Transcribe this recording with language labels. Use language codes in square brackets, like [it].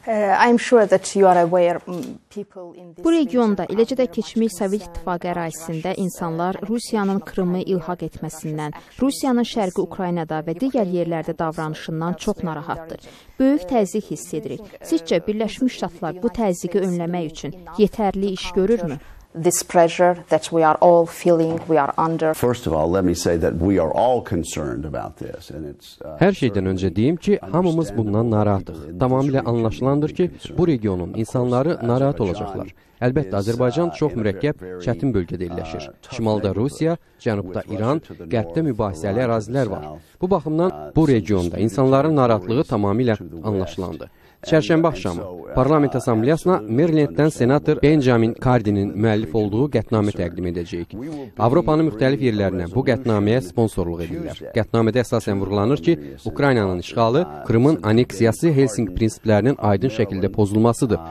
[az] Bu regionda, eləcə də keçmiş Sovet İttifaqı ərazisində insanlar Rusiyanın Krımı ilhaq etməsindən, Rusiyanın Şərqi Ukraynada və digər yerlərdə davranışından çox narahatdır. Böyük təzyiq hiss edirik. Sizcə, Birləşmiş Ştatlar bu təzyiqi önləmək üçün yetərli iş görürmü? [en] This pressure that we are all feeling, we are under. First of all, let me say that we are all concerned about this and it's [az] Hər şeydən öncə deyim ki, hamımız bundan narahatıq. Tamamilə anlaşılandır ki, bu regionun insanları narahat olacaqlar. Əlbəttə, Azərbaycan çox mürəkkəb, çətin bölgədə yerləşir. Şimalda Rusiya, cənubda İran, qərbdə mübahisəli ərazilər var. Bu baxımdan bu regionda insanların narahatlığı tamamilə anlaşılandı. Çərşənbə axşamı Parlament Assambleyasına Merlinddən senator Benjamin Cardin'in müəllif olduğu qətnamə təqdim edəcəyik. Avropanın müxtəlif yerlərinə bu qətnaməyə sponsorluq edirlər. Qətnamədə əsasən vurğulanır ki, Ukraynanın işğalı, Krımın anneksiyası Helsinki prinsiplərinin aydın şəkildə pozulmasıdır.